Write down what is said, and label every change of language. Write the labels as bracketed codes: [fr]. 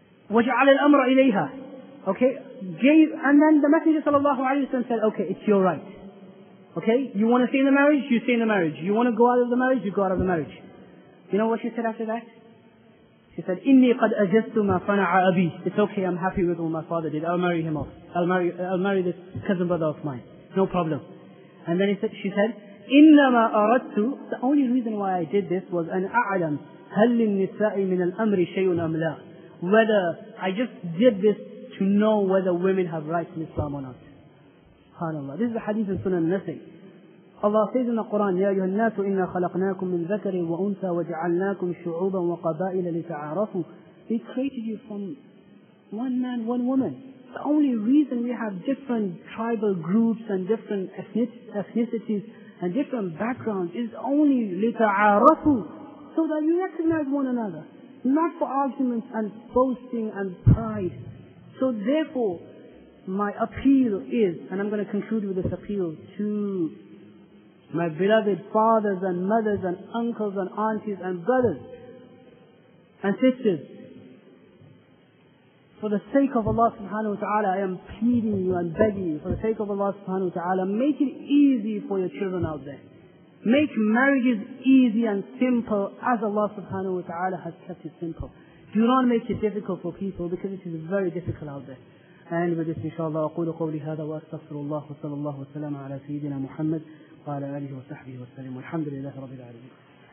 [ar] وَجَعَلَ الْأَمْرَ إِلَيْهَا. [en] Okay, gave, and then the Messenger sallallahu alayhi wa sallam said, okay, it's your right. Okay, you want to stay in the marriage, you stay in the marriage. You want to go out of the marriage, you go out of the marriage. You know what she said after that? She said, [ar] إِنِّي قَدْ أَجَزْتُ مَا فَنَعَ أَبِي. [en] It's okay, I'm happy with what my father did. I'll marry him off. I'll marry this cousin brother of mine. No problem. And then she said, [ar] إِنَّمَا أَرَدْتُ. [en] The only reason why I did this was [ar] أَنْ أَعْلَمْ هَلْ لِلنِّسَاءِ مِنَ الْأَمْرِ شَيْءٌ أَمْ لَا. [en] Whether I just did this to know whether women have rights in Islam or not. SubhanAllah. This is a hadith in Sunan Nasa'i. Allah says in the Quran, [ar] يَا أَيُّهَا النَّاسُ إِنَّا خَلَقْنَاكُمْ مِنْ ذَكَرٍ وَأُنْثَى وَجَعَلْنَاكُمْ شُعُوبًا وَقَبَائِلَ لِتَعَارَفُوا. [en] He created you from one man, one woman. The only reason we have different tribal groups and different ethnicities and different backgrounds is only [ar] لِتَعَارَفُوا, [en] so that you recognize one another. Not for arguments and boasting and pride. So therefore, my appeal is, and I'm going to conclude with this appeal to my beloved fathers and mothers and uncles and aunties and brothers and sisters, for the sake of Allah subhanahu wa ta'ala, I am pleading you and begging you, for the sake of Allah subhanahu wa ta'ala, make it easy for your children out there. Make marriages easy and simple as Allah subhanahu wa ta'ala has kept it simple. Do not make it difficult for people, because it is very difficult out there. And with this, inshallah, [ar] أقول قولي هذا وأستغفر الله وصلى الله وسلم على سيدنا محمد وعلى آله وصحبه وسلم والحمد لله رب العالمين.